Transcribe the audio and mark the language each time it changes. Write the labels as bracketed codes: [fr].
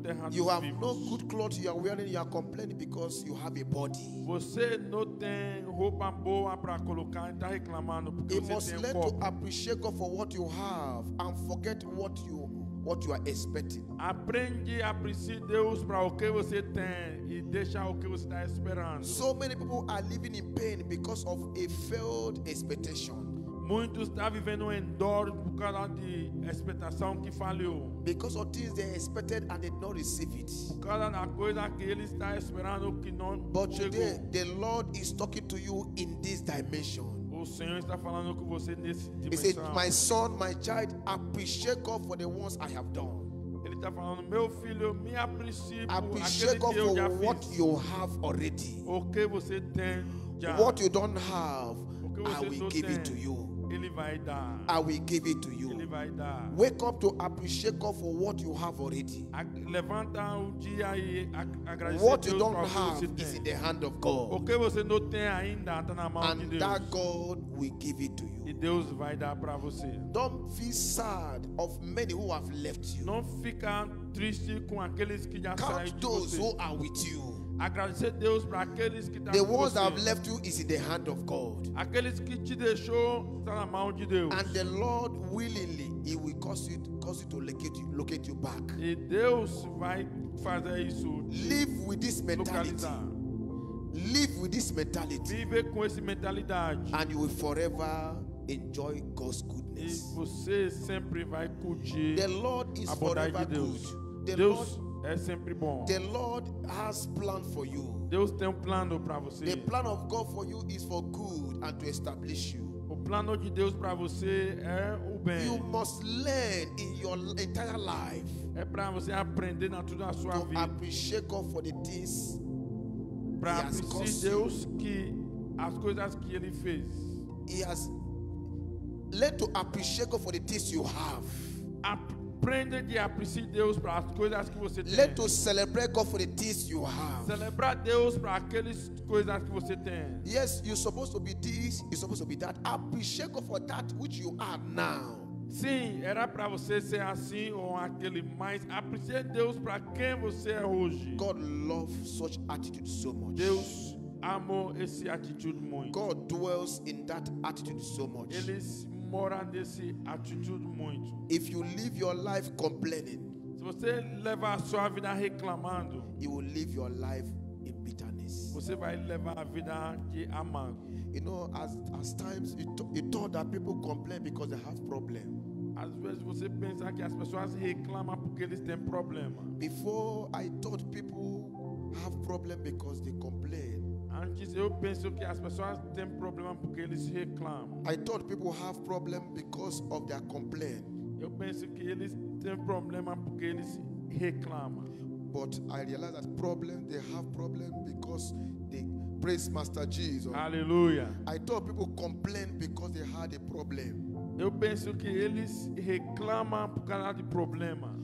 [en] You have no good clothes you are wearing, you are complaining because you have a body. It must learn to appreciate God for what you have and forget what you are expecting. [pt] Aprende a apreciar Deus para o que você tem e deixa o que você está esperando. [en] So many people are living in pain because of a failed expectation. [pt] Muitos estão vivendo em dor por causa de expectação que falhou. [en] Because of things they expected and they did not receive it. [pt] Por causa da coisa que eles estão esperando que não [en] But [pt] chegou. [en] Today, the Lord is talking to you in this dimension. [pt] O Senhor está falando com você nesse dimensão. [en] He said, my son, my child, appreciate God for the ones I have done. [pt] Ele está falando, meu filho, me aprecie por aquele que eu já fiz. [en] What you have already. [pt] O que você tem já. [en] What you don't have, I will give it to you. [pt] Ele vai dar. [en] I will give it to you. [pt] Ele vai dar. [en] Wake up to appreciate God for what you have already. [pt] Levanta o dia e agradece. [en] What you don't have is in the hand of God. [pt] O que você não tem ainda está na mão de Deus. [en] And that God will give it to you. [pt] E Deus vai dar para você. [en] Don't feel sad of many who have left you. [pt] Não fica triste com aqueles que já saíram de você. [en] Count those who are with you. [pt] Agradece Deus para aqueles que [en] the ones that have left you is in the hand of God. [pt] Aqueles que te deixou está na mão de Deus. [en] And the Lord willingly, He will cause it to locate you back. [pt] E Deus vai fazer isso. [en] Live with this mentality. Live with this mentality. [pt] Vive com essa mentalidade. [en] And you will forever enjoy God's goodness. [pt] E você sempre vai curtir. [en] The Lord is forever [pt] de Deus. [en] Good. [pt] The Deus Lord é sempre bom. [en] The Lord has plan for you. [pt] Deus tem plano para você. [en] The plan of God for you is for good and to establish you. [pt] O plano de Deus para você é o bem. [en] You must learn in your entire life. [pt] É para você aprender na toda a sua vida. [en] Appreciate God for the things [pt] para apreciar Deus que as coisas que Ele fez. [en] He has learned to appreciate God for the things you have. [pt] Aprende de apreciar Deus para as coisas que você tem. [en] Let us celebrate God for the things you have. [pt] Celebrar Deus para aquelas coisas que você tem. [en] Yes, you're supposed to be this, you're supposed to be that. Appreciate God for that which you are now. [pt] Sim, era para você ser assim ou aquele, mas aprecie Deus para quem você é hoje. [en] God loves such attitude so much. [pt] Deus ama essa atitude muito. [en] God dwells in that attitude so much. If you live your life complaining, [pt] se você leva a sua vida reclamando, [en] you will live your life in bitterness. [pt] Você vai levar a vida de amargo. [en] You know, as times you thought that people complain because they have problem. [pt] Às vezes você pensa que as pessoas reclamam porque eles têm problema. [en] Before I thought people have problem because they complain. [pt] Antes eu penso que as pessoas têm problema porque eles reclamam. [en] I thought people have problem because of their complaint. [pt] Eu penso que eles têm problema porque eles reclamam. [en] But I realize that problem they have problem because they praise Master Jesus. Hallelujah. I thought people complain because they had a problem. [pt] Eu penso que eles reclamam por causa de problema.